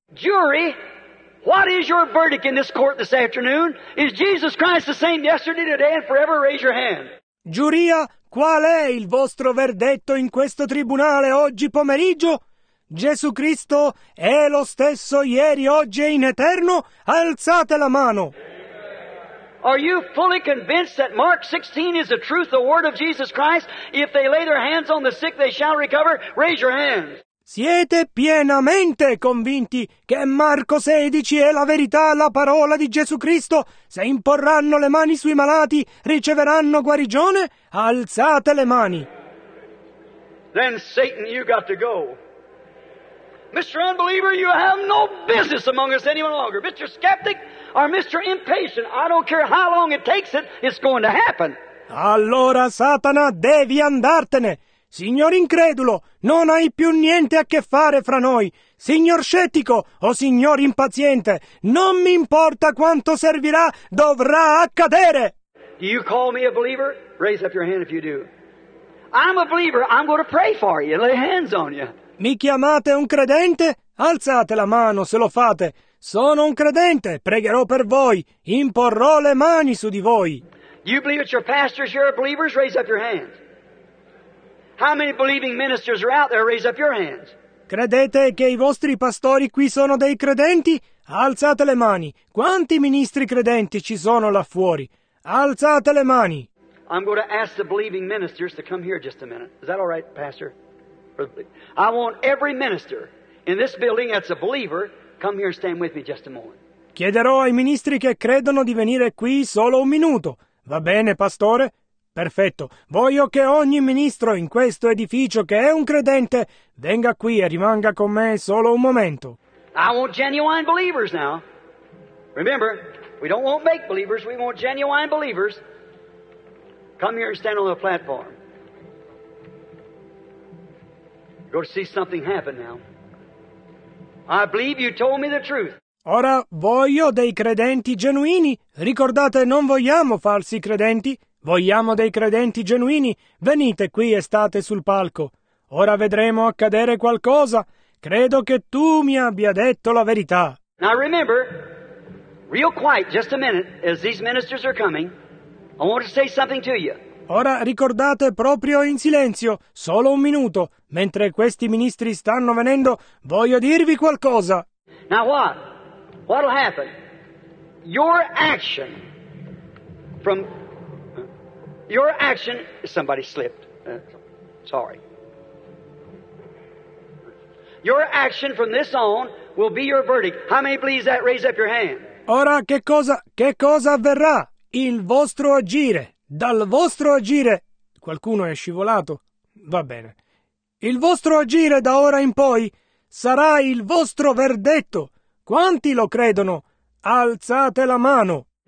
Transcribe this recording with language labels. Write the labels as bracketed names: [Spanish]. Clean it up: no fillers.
[English] Jury, what is your verdict in this court this afternoon? Is Jesus Christ the same yesterday, today and forever? Raise your hand. [Italian] Giuria, qual è il vostro verdetto in questo tribunale oggi pomeriggio? Gesù Cristo è lo stesso ieri, oggi e in eterno? Alzate la mano! [English] Are you fully convinced that Mark 16 is the truth, the word of Jesus Christ? If they lay their hands on the sick, they shall recover? Raise your hands! [Italian] Siete pienamente convinti che Marco 16 è la verità, la parola di Gesù Cristo? Se imporranno le mani sui malati, riceveranno guarigione? Alzate le mani! [English] Then Satan, you got to go. Mr. Unbeliever, you have no business among us any longer. Mr. Skeptic or Mr. Impatient, I don't care how long it takes it, it's going to happen. [Italian] Allora, Satana, devi andartene! Signor incredulo, non hai più niente a che fare fra noi. Signor scettico o signor impaziente, non mi importa quanto servirà, dovrà accadere. [English] Do you call me a believer? Raise up your hand if you do. I'm a believer. I'm going to pray for you. Lay hands on you. [Italian] Mi chiamate un credente? Alzate la mano se lo fate. Sono un credente. Pregherò per voi. Imporrò le mani su di voi. [English] Do you believe it's your pastors here, believers? Raise up your hand. How many believing ministers are out there? Raise up your hands. [Italian] Credete che i vostri pastori qui sono dei credenti? Alzate le mani. Quanti ministri credenti ci sono là fuori? Alzate le mani. [English] I'm going to ask the believing ministers to come here just a minute. Is that all right, Pastor? I want every minister in this building that's a believer, come here and stand with me just a moment. [Italian] Chiederò ai ministri che credono di venire qui solo un minuto. Va bene, Pastore? Perfetto. Voglio che ogni ministro in questo edificio che è un credente venga qui e rimanga con me solo un momento. [English] I want genuine believers now. Remember, we don't want make believers, we want genuine believers. Come here and stand on the platform. Go to see something happen now. I believe you told me the truth. [Italian] Ora voglio dei credenti genuini. Ricordate, non vogliamo falsi credenti. Vogliamo dei credenti genuini. Venite qui e state sul palco. Ora vedremo accadere qualcosa. Credo che tu mi abbia detto la verità. [English] Now remember, real quiet, just a minute, as these ministers are coming, I want to say something to you. [Italian] Ora ricordate proprio in silenzio, solo un minuto, mentre questi ministri stanno venendo, voglio dirvi qualcosa. [English] Now what? What'll happen? Your action from... Your action, somebody slipped, sorry. Your action from this on will be your verdict. How many believe that? Raise up your hand. [Italian] Ora che cosa avverrà? Il vostro agire, dal vostro agire, qualcuno è scivolato, va bene. Il vostro agire da ora in poi sarà il vostro verdetto. Quanti lo credono? Alzate la mano.